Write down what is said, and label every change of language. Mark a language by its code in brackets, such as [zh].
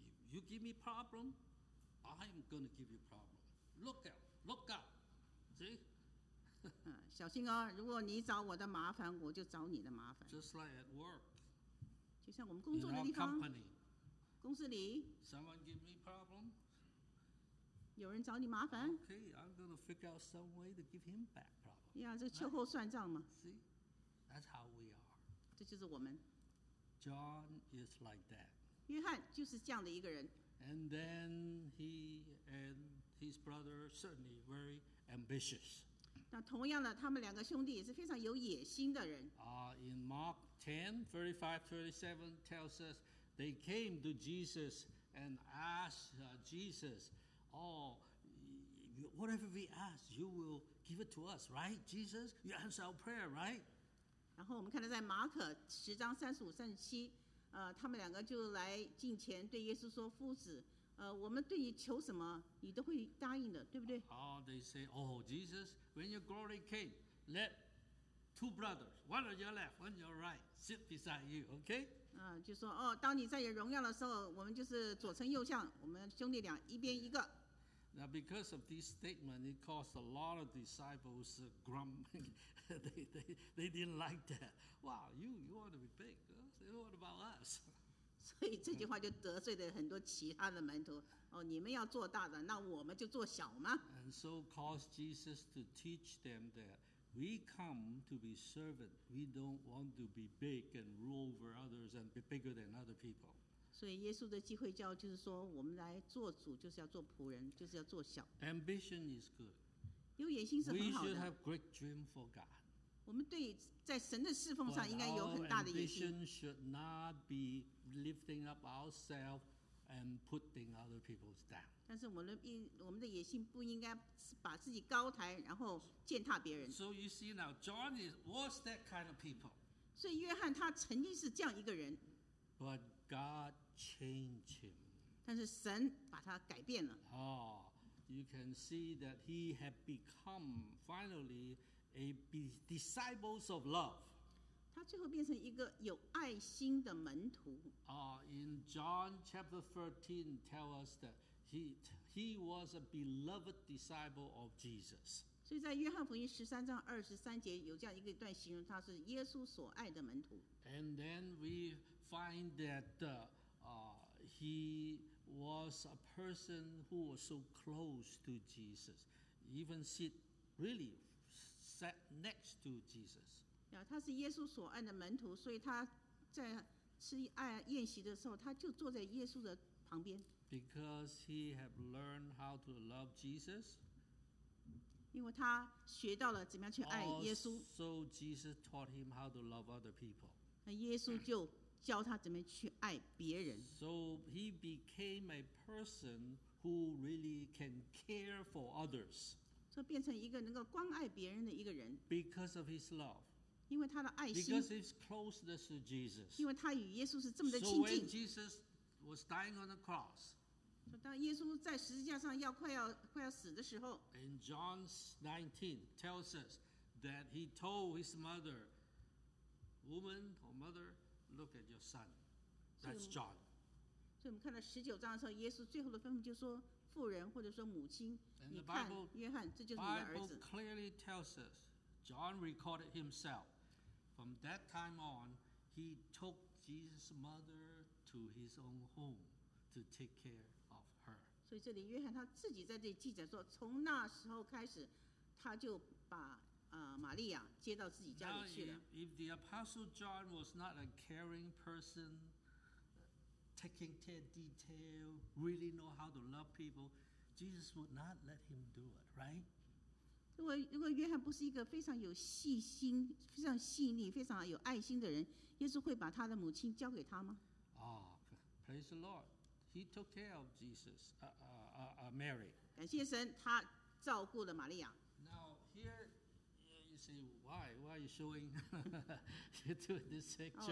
[en] You give me problem, I am going to give you problem. Look out. Look out. See? [zh] 小心哦，如果你找我的麻烦，我就找你的麻烦。 [en] Just like at work, [zh] 就像我们工作的地方， [en] company, [zh] 公司里。 [en] Someone give me problem? [zh] 有人找你麻烦。 [en] Okay, I'm going to figure out some way to give him back problem. [zh] Yeah, 这秋后算账嘛。 [en] See, that's how we are. [zh] 这就是我们。 [en] John is like that. [zh] 约翰就是这样的一个人。 [en] And then he and his brother certainly very ambitious. [zh] 那同样的，他们两个兄弟也是非常有野心的人。 [en] In Mark 10:35-37 tells us they came to Jesus and asked Jesus, "Oh, whatever we ask, you will give it to us, right? Jesus, you answer our prayer, right?" [zh] 然后我们看到在马可十章三十五、三十七，他们两个就来近前对耶稣说：“夫子。” 我们对你求什么你都会答应的，对不对？ [en] They say, oh, Jesus, when your glory came, let two brothers, one on your left, one on your right, sit beside you, okay? [zh] 就说哦，当你在有荣耀的时候，我们就是左丞右相，我们兄弟俩一边一个。 [en] Now, because of this statement, it caused a lot of disciples grumbling. they didn't like that. Wow, you want to be big, huh? What about us? [zh] 所以这句话就得罪了很多其他的门徒。哦，你们要做大的，那我们就做小吗？ [en] And so caused Jesus to teach them that we come to be servant. We don't want to be big and rule over others and be bigger than other people. [zh] 所以耶稣的机会教就是说，我们来做主就是要做仆人，就是要做小。 [en] Ambition is good. [zh] 有野心是很好的。 [en] We should have great dream for God. [zh] 我们对在神的侍奉上应该有很大的野心。 [en] But our ambition should not beLifting up ourselves and putting other people's down. [zh] 但是我们的野心不应该把自己高抬，然后践踏别人。 [en] So you see now, John was that kind of people. [zh] 所以约翰他曾经是这样一个人。 [en] But God changed him. [zh] 但是神把他改变了。 [en] Oh, you can see that he had become finally a disciples of love. [zh] 他最后变成一个有爱心的门徒。 [en] In John chapter 13 tell us that he was a beloved disciple of Jesus. [zh] 所以在约翰福音十三章二十三节有这样一个段形容他是耶稣所爱的门徒。 [en] And then we find that he was a person who was so close to Jesus, even sat next to Jesus. [zh] 他是耶稣所爱的门徒，所以他在吃宴席的时候，他就坐在耶稣的旁边。 [en] Because he had learned how to love Jesus. [zh] 因为他学到了怎么样去爱耶稣。 [en] Also, Jesus taught him how to love other people. [zh] 那耶稣就教他怎么去爱别人。 [en] So he became a person who really can care for others. [zh] 所以变成一个能够关爱别人的一个人。 [en] Because of his love. [zh] 因为他的爱心 [en] because his closeness to Jesus. [zh] 因为他与耶稣是这么的亲近 [en] so when Jesus was dying on the cross, [zh] 当耶稣在十字架上快要死的时候 [en] in John 19 tells us that he told his mother, woman or mother, look at your son. That's John. [zh] 所以我们看到十九章的时候，耶稣最后的吩咐就说：“妇人或者说母亲，你看，约翰，这就是你的儿子。” [en] The Bible clearly tells us, John recorded himself. From that time on, he took Jesus' mother to his own home to take care of her. [zh] 所以这里约翰他自己在这里记载说，从那时候开始，他就把玛利亚接到自己家里去了。 [en] Now, if the Apostle John was not a caring person, taking care detail, really know how to love people, Jesus would not let him do it, right? [zh] 如果约翰不是一个非常有细心、非常细腻、非常有爱心的人，耶稣会把他的母亲交给他吗？ [en] Oh, praise the Lord. He took care of Jesus, Mary. [zh] 感谢神，他照顾了玛利亚。 [en] Now, here,You say, why are you showing you to this picture?